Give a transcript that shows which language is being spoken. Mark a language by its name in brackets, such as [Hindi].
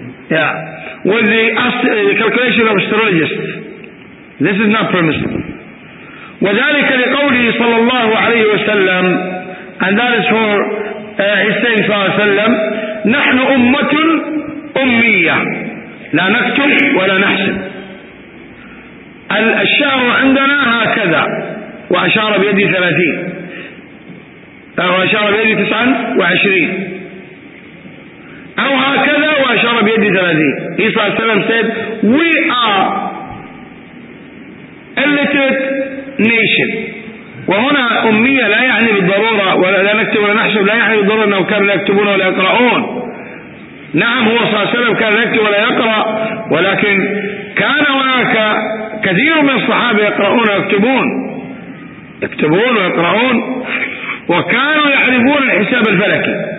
[English] Yeah, with the calculation of astrologists, this is not permissible. [Arabic] وذلك لقوله صلى الله عليه وسلم. [English] And that is for his saying [Arabic] صلى الله عليه وسلم نحن أمة أمية لا نكتب ولا نحسب. الشهر عندنا هكذا وأشار بيدي 30 وأشار بيدي 29 أو هكذا وأشار بيدي 30. [English] He [Arabic] صلى الله عليه وسلم [English] said we are illiterate nation. [Arabic] وهنا أمية لا يعني بالضرورة ولا لا نكتب ولا نحسب، لا يعني بالضرورة أنه كانوا يكتبون ولا يقرؤون. نعم هو صلى الله عليه وسلم كان يكتب ولا يقرأ، ولكن كان هناك كثير من الصحابة يقرؤون ويكتبون. يكتبون ويقرؤون، وكانوا يعرفون الحساب الفلكي.